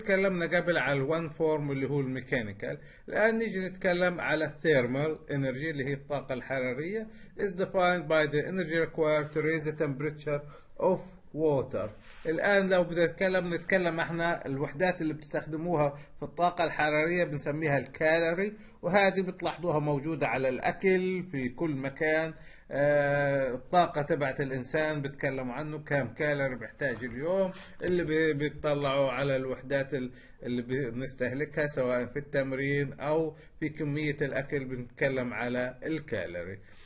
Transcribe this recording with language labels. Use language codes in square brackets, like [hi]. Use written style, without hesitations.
[ar] تكلمنا قبل على one form اللي هو الميكانيكال. الآن نيجي نتكلم على [en] thermal energy [ar] اللي هي الطاقة الحرارية. [en] is defined by the energy required to raise the temperature of water. [ar] الآن لو بدنا نتكلم احنا الوحدات اللي بتستخدموها في الطاقة الحرارية بنسميها الكالوري، وهذه بتلاحظوها موجودة على الأكل في كل مكان. الطاقة تبعت الإنسان بتكلموا عنه كم كالوري بيحتاج اليوم، اللي بيطلعوا على الوحدات اللي بنستهلكها سواء في التمرين أو في كمية الأكل بنتكلم على الكالوري.